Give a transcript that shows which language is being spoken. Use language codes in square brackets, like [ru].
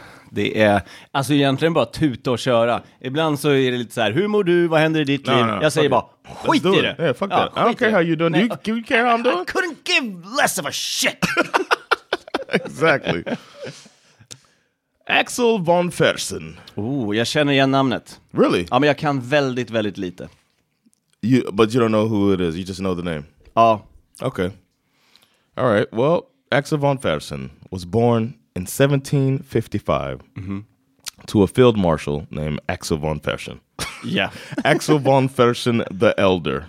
[sv] Det är alltså egentligen bara tuta och köra. Ibland så är det lite så här, hur mår du? Vad händer i ditt liv? Jag säger bara, skit i det. [en] Yeah, fuck that. I don't care how you doing. You care how I'm doing? I couldn't give less of a shit. Exactly. Axel von Fersen. [sv] Oh, jag känner igen namnet. [en] Really? [sv] Ja, men jag kan väldigt, väldigt lite. [en] But you don't know who it is. You just know the name. [sv] Ja. [en] Okay. All right, well, Axel von Fersen was born in 1755 to a field marshal named Axel von Fersen. Yeah. Axel von Fersen the Elder.